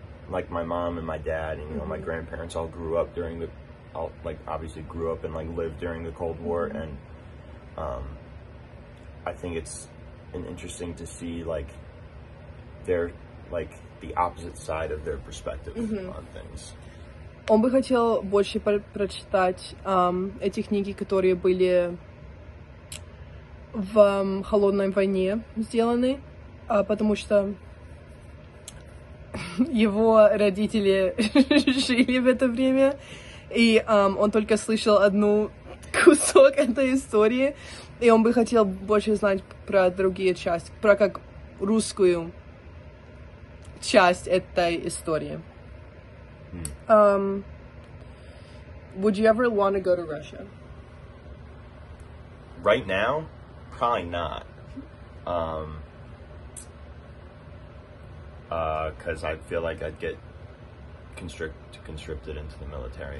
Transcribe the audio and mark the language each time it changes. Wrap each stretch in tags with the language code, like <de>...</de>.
<en>like my mom and my dad and, you mm-hmm. know, my grandparents all grew up during the, all, like, obviously grew up and, like, lived during the Cold War mm-hmm. and I think it's interesting to see, like, their, like, the opposite side of their perspective mm-hmm. on things.</en> <ru>Он бы хотел больше прочитать эти книги, которые были в холодной войне сделаны, потому что его родители жили в это время, и он только слышал одну кусок этой истории, и он бы хотел больше знать про другие части, про как русскую часть этой истории. Hmm.</ru> <en>Would you ever want to go to Russia? Right now? Probably not. Because I feel like I'd get conscripted into the military</en>